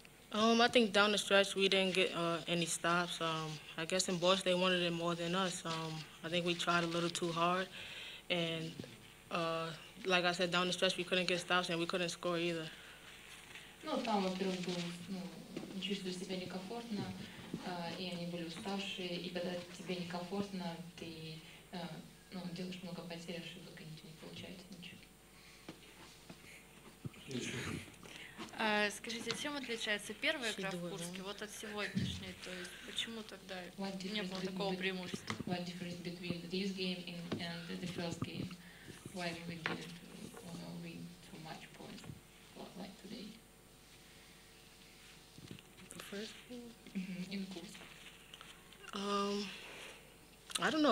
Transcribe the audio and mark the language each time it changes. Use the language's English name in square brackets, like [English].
[English] I think down the stretch we didn't get any stops. I guess in Boston they wanted it more than us. I think we tried a little too hard, and like I said, down the stretch we couldn't get stops and we couldn't score either. [Russian] Ну там, во-первых, было, ну, чувствую себя некомфортно, и они были уставшие, и когда тебе некомфортно, ты делаешь много потерь, чтобы конечно не получается ничего. Скажите, чем отличается первая игра в Курске вот от сегодняшней? То есть почему тогда не было такого преимущества? [English] What difference between this game and the first game? Why we didn't win too much points like today? The first game? In Курск. I don't know.